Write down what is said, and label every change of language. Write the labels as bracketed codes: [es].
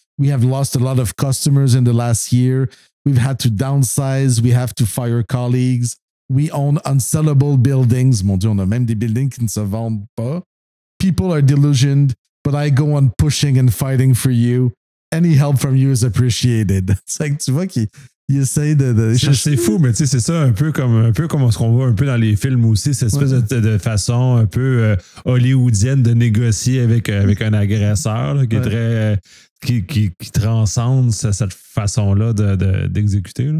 [en] We have lost a lot of customers in the last year. We've had to downsize. We have to fire colleagues. We own unsellable buildings. [fr] Mon Dieu, on a même des buildings qui ne se vendent pas. [en] People are delusioned, but I go on pushing and fighting for you. Any help from you is appreciated. [fr] C'est que tu vois qu'il essaye de chercher. C'est fou, mais tu sais, c'est ça un peu comme ce qu'on voit un peu dans les films aussi, cette espèce de façon un peu hollywoodienne de négocier avec un agresseur là, qui est très qui transcende cette façon-là d'exécuter.